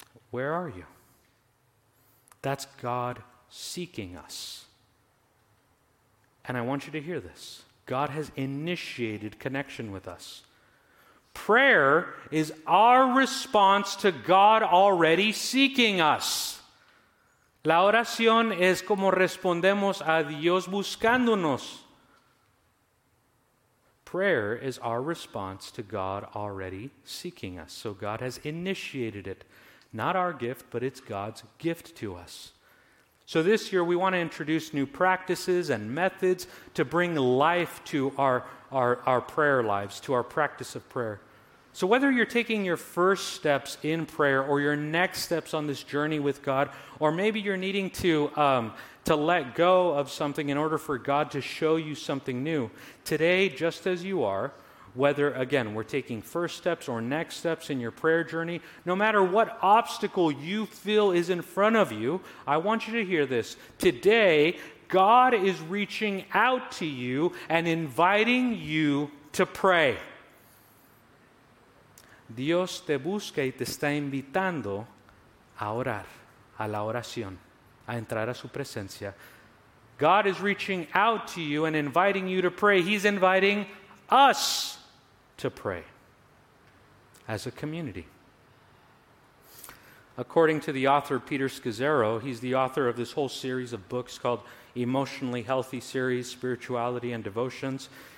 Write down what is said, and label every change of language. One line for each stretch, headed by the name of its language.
English: Where are you? That's God seeking us. And I want you to hear this. God has initiated connection with us. Prayer is our response to God already seeking us.
Spanish: La oración es como respondemos a Dios buscándonos.
English: Prayer is our response to God already seeking us. So God has initiated it. Not our gift, but it's God's gift to us. So this year we want to introduce new practices and methods to bring life to our prayer lives, to our practice of prayer. So whether you're taking your first steps in prayer or your next steps on this journey with God, or maybe you're needing to let go of something in order for God to show you something new, today, just as you are, whether, again, we're taking first steps or next steps in your prayer journey, no matter what obstacle you feel is in front of you, I want you to hear this. Today, God is reaching out to you and inviting you to pray.
Spanish: Dios te busca y te está invitando a orar, a la oración, a entrar a su presencia.
English: God is reaching out to you and inviting you to pray. He's inviting us to pray as a community. According to the author Peter Scazzaro, he's the author of this whole series of books called Emotionally Healthy Series, Spirituality and Devotions.